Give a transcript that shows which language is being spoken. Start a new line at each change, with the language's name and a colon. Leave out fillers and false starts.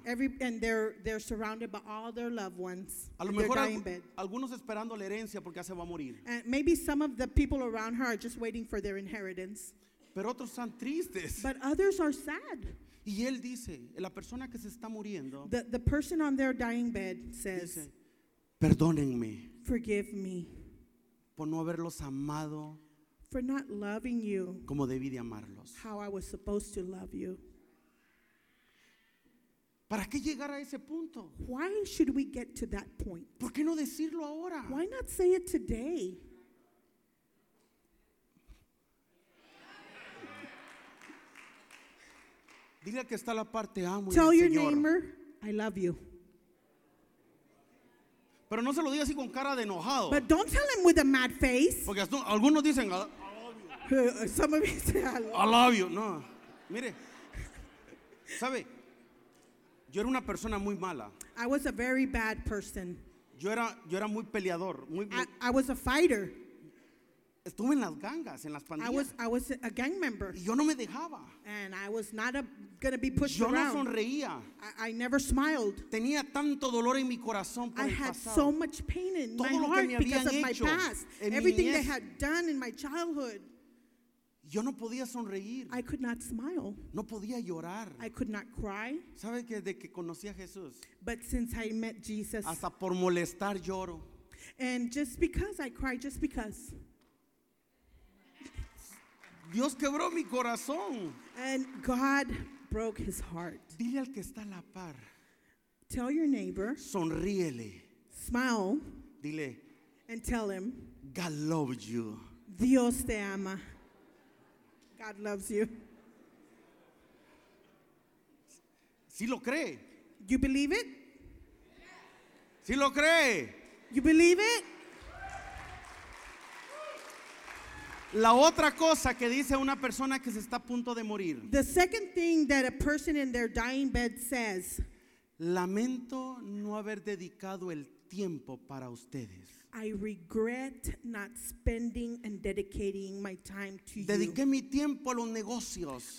English: And they're surrounded by all their loved ones.
Spanish: A lo mejor algunos esperando la herencia porque ya se va a morir.
English: And maybe some of the people around her are just waiting for their inheritance.
Spanish: Pero otros están tristes.
English: But others are sad.
Spanish: Y él dice, la persona que se está muriendo,
English: the person on their dying bed says,
Spanish: perdónenme.
English: Forgive me.
Spanish: Por no haberlos amado.
English: For not loving you.
Spanish: Como debí de amarlos.
English: How I was supposed to love you.
Spanish: ¿Para qué llegar a ese punto?
English: Why should we get to that point?
Spanish: ¿Por qué no decirlo ahora?
English: Why not say it today?
Spanish: Dile que está la parte amo.
English: Tell your
Spanish: Señor.
English: Neighbor, I love you.
Spanish: Pero no se lo diga así con cara de enojado.
English: But don't tell him with a mad face.
Spanish: Porque algunos dicen,
English: I love you. Some of you say, I love you.
Spanish: No, mire, ¿sabe? Yo era una persona muy mala.
English: I was a very bad person.
Spanish: Yo era muy peleador.
English: I was a fighter.
Spanish: Estuve en las gangas, en las pandillas.
English: I was a gang member.
Spanish: Y yo no me dejaba.
English: And I was not going to be pushed
Spanish: yo
English: around.
Spanish: Yo no sonreía.
English: I never smiled.
Spanish: Tenía tanto dolor en mi corazón por
English: I
Spanish: el
English: had
Spanish: pasado.
English: So much pain in
Spanish: todo
English: my heart because of my past. Everything
Spanish: niñez.
English: They had done in my childhood.
Spanish: Yo no podía sonreír.
English: I could not smile.
Spanish: No podía llorar.
English: I could not cry.
Spanish: ¿Sabe que de que conocí a Jesús?
English: But since I met Jesus.
Spanish: Hasta por molestar lloro.
English: And just because I cry, just because.
Spanish: Dios quebró mi corazón.
English: And God broke his heart.
Spanish: Dile al que está a la par.
English: Tell your neighbor.
Spanish: Sonríele.
English: Smile.
Spanish: Dile.
English: And tell him. God loves you.
Spanish: Dios te ama.
English: God loves you.
Spanish: ¿Sí lo cree?
English: You believe it?
Spanish: ¿Sí lo cree?
English: You believe it?
Spanish: La otra cosa que dice una persona que se está a punto de morir.
English: The second thing that a person in their dying bed says.
Spanish: Lamento no haber dedicado el tiempo para ustedes.
English: I regret not spending and dedicating my time to you.
Spanish: Dediqué mi tiempo a los negocios.